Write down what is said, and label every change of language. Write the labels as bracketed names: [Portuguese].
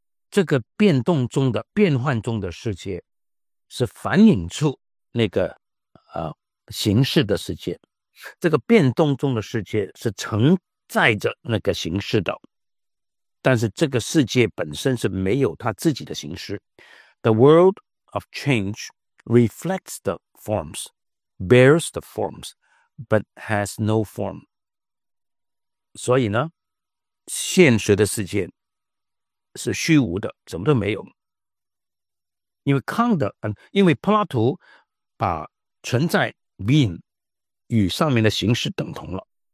[Chinese] 这个变动中的变幻中的世界是反映出那个形式的世界，这个变动中的世界是承载着那个形式的，但是这个世界本身是没有它自己的形式。 [English] The world of change reflects the forms, bears the forms, but has no form. [Chinese] 所以呢，现实的世界是虚无的，什么都没有。因为康德，因为柏拉图把存在 being 与上面的形式等同了。